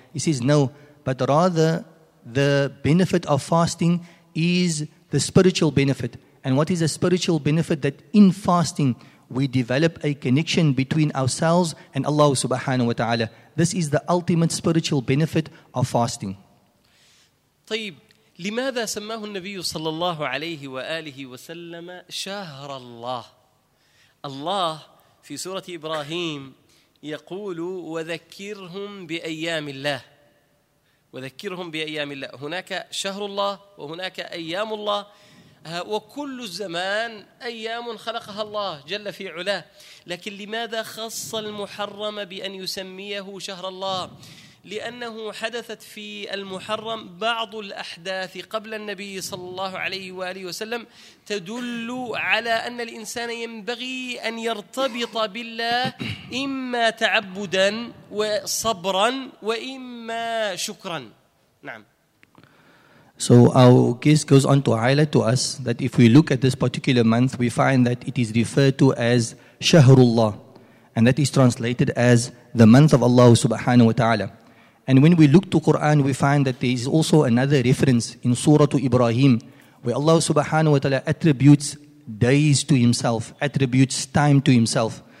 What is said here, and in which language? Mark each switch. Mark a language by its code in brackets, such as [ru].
[en] He says no, but rather the benefit of fasting is the spiritual benefit. And what is a spiritual benefit? That in fasting, we develop a connection between ourselves and Allah subhanahu wa ta'ala. This is the ultimate spiritual benefit of fasting. [ar] طيب لماذا سماه النبي صلى الله عليه وآله وسلم شهر الله؟ الله في سورة إبراهيم يقول وذكرهم بأيام الله، وذكرهم بأيام الله. هناك شهر الله وهناك أيام الله، وكل الزمان أيام خلقها الله جل في علاه، لكن لماذا خص المحرم بأن يسميه شهر الله؟ لأنه حدثت في المحرم بعض الأحداث قبل النبي صلى الله عليه وآله وسلم تدل على أن الإنسان ينبغي أن يرتبط بالله، إما تعبدا وصبرا وإما شكرا. نعم. [en] So our case goes on to highlight to us that if we look at this particular month, we find that it is referred to as Shahrullah, and that is translated as the month of Allah subhanahu wa ta'ala. And when we look to Quran, we find that there is also another reference in Surah Ibrahim, where Allah subhanahu wa ta'ala attributes days to himself, attributes time to himself.